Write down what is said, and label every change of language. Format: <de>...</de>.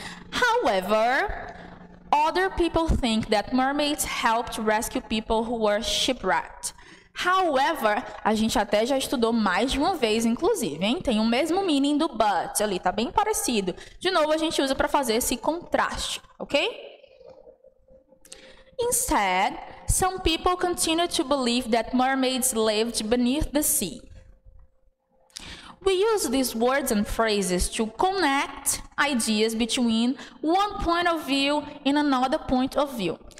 <en>However, other people think that mermaids helped rescue people who were shipwrecked.</en> <pt>However, a gente até já estudou mais de uma vez, inclusive, hein? Tem o mesmo meaning do but ali, tá bem parecido. De novo, a gente usa para fazer esse contraste, ok?</pt> <en>Instead, some people continue to believe that mermaids lived beneath the sea. We use these words and phrases to connect ideas between one point of view and another point of view.</en>